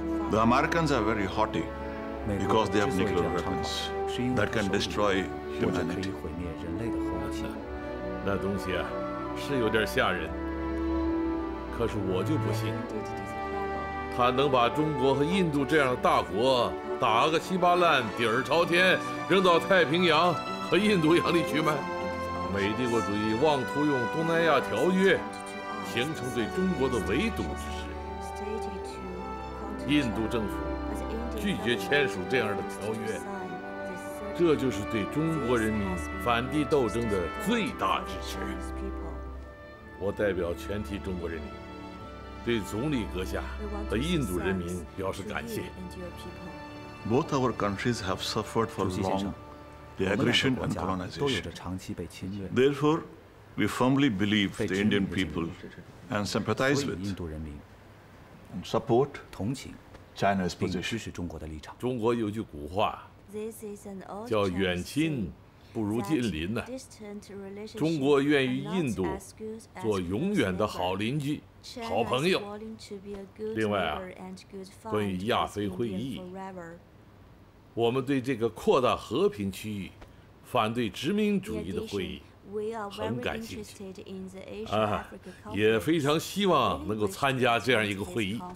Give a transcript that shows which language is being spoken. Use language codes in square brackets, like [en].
[en] The Americans are very haughty because they have nuclear weapons that can destroy humanity。 [zh] 那东西啊，是有点吓人。可是我就不信，他能把中国和印度这样的大国打个稀巴烂、底儿朝天，扔到太平洋和印度洋里去吗？美帝国主义妄图用《东南亚条约》形成对中国的围堵之势，印度政府拒绝签署这样的条约，这就是对中国人民反帝斗争的最大支持。我代表全体中国人民，对总理阁下和印度人民表示感谢。 [en] Both our countries have suffered for long. [zh] 我们两个国家都有着长期被侵略。 [en] Therefore, we firmly believe the Indian people and sympathize with [zh] 印度人民 [en] and support [zh] 同情 [en] China's position [zh] 并支持中国的立场。中国有句古话，叫“远亲不如近邻”呢。中国愿与印度做永远的好邻居、好朋友。另外啊，关于亚非会议。我们对这个扩大和平区域、反对殖民主义的会议很感兴趣啊，也非常希望能够参加这样一个会议。